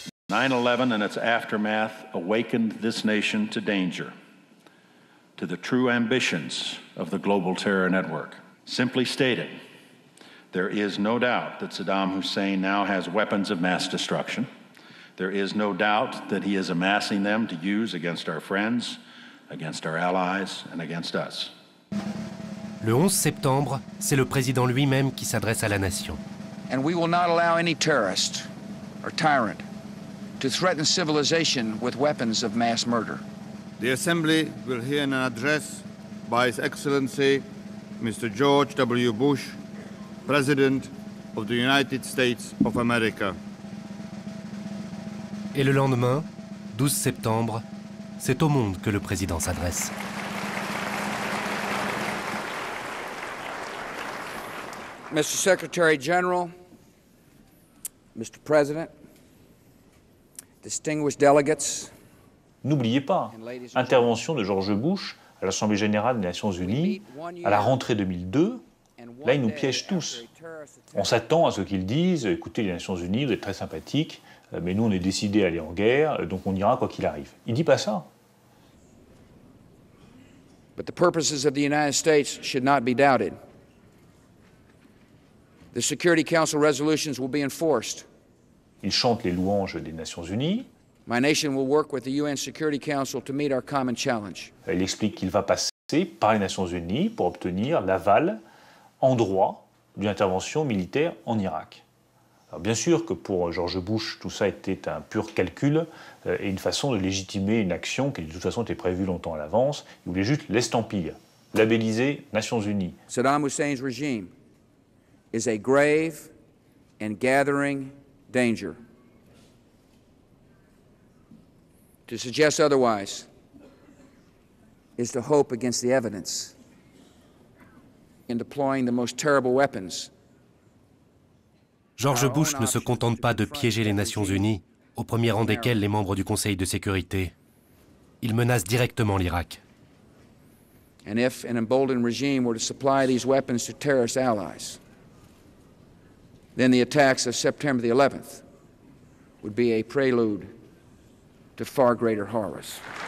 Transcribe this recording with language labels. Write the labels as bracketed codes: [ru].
[en] 9/11 and its aftermath awakened this nation to danger, to the true ambitions of the global terror network. Simply stated, there is no doubt that Saddam Hussein now has weapons of mass destruction. There is no doubt that he is amassing them to use against our friends, against our allies, and against us. [fr] Le 11 septembre, c'est le président lui-même qui s'adresse à la nation. [en] And we will not allow any terrorist or tyrant to threaten civilization with weapons of mass murder. The Assembly will hear an address by His Excellency, Mr. George W. Bush, President of the United States of America. [fr] Et le lendemain, 12 septembre, c'est au monde que le président s'adresse. [en] Mr. Secretary General, Mr. President, distinguished delegates. [fr] N'oubliez pas, intervention de George Bush à l'Assemblée générale des Nations Unies à la rentrée 2002, là il nous piège tous. On s'attend à ce qu'ils disent, écoutez les Nations Unies, vous êtes très sympathiques, mais nous on est décidé à aller en guerre, donc on ira quoi qu'il arrive. Il ne dit pas ça. [en] But the purposes of the United States should not be doubted. The Security Council resolutions will be enforced. [fr] Il chante les louanges des Nations Unies. [en] My nation will work with the UN Security Council to meet our common challenge. [fr] Il explique qu'il va passer par les Nations Unies pour obtenir l'aval en droit d'une intervention militaire en Irak. Alors bien sûr que pour George Bush, tout ça était un pur calcul et une façon de légitimer une action qui de toute façon était prévue longtemps à l'avance. Il voulait juste l'estampiller, labelliser Nations Unies. [en] Saddam Hussein's regime is a grave and gathering danger. To suggest otherwise is to hope against the evidence in deploying the most terrible weapons. [fr] George Bush ne se contente pas de piéger les Nations Unies, au premier rang desquelles les membres du Conseil de sécurité. Il menace directement l'Irak. [en] And if an emboldened regime were to supply these weapons to terrorist allies, then the attacks of September the 11th would be a prelude to far greater horrors.